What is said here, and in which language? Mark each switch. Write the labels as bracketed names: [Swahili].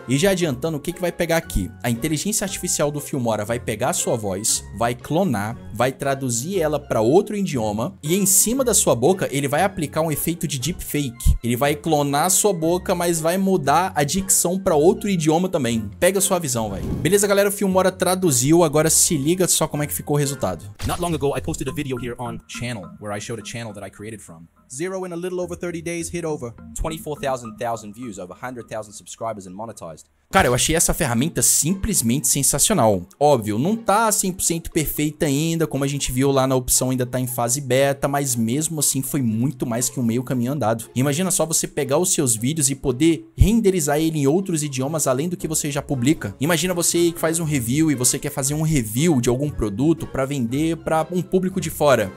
[Portuguese] E já adiantando, o que que vai pegar aqui? A inteligência artificial do Filmora vai pegar a sua voz, vai clonar, vai traduzir ela para outro idioma e em cima da sua boca ele vai aplicar um efeito de deepfake. Ele vai clonar a sua boca, mas vai mudar a dicção para outro idioma também. Pega a sua visão, vai. Beleza, galera, o Filmora traduziu, agora se liga só como é que ficou o resultado. [English] Not long ago I posted a video here on channel where I showed a channel that I created from. Zero in a little over 30 days hit over 24,000 views, over 100,000 subscribers and monetized. [Portuguese] Cara, eu achei essa ferramenta simplesmente sensacional. Óbvio, não tá 100% perfeita ainda, como a gente viu lá na opção, ainda tá em fase beta, mas mesmo assim foi muito mais que um meio caminho andado. Imagina só você pegar os seus vídeos e poder renderizar ele em outros idiomas além do que você já publica. Imagina você que faz um review e você quer fazer um review de algum produto pra vender pra um público de fora.